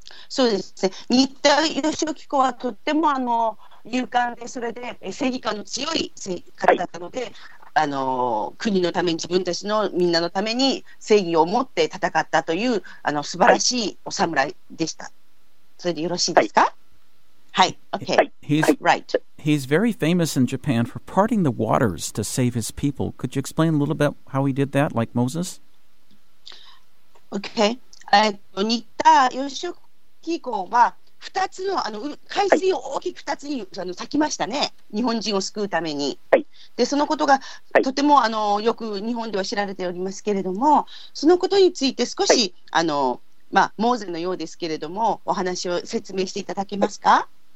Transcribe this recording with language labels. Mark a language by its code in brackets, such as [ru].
[ja] そうですね。新田義雄紀子はとっても勇敢で、それで正義感の強い方だったので、はい、国のために、自分たちのみんなのために正義を持って戦ったという、あの素晴らしいお侍でした。はい、それでよろしいですか？はい、はい、OK、はい、 [en] He's right. He's very famous in Japan for parting the waters to save his people. Could you explain a little bit how he did that, like Moses? Okay. [ja] 似た吉岡紀行は2つ の、 あの海水を大きく2つに、はい、あの裂きましたね、日本人を救うために、はい、でそのことが、はい、とてもあのよく日本では知られておりますけれども、そのことについて少し、はい、あのまあ、モーゼのようですけれども、お話を説明していただけますか？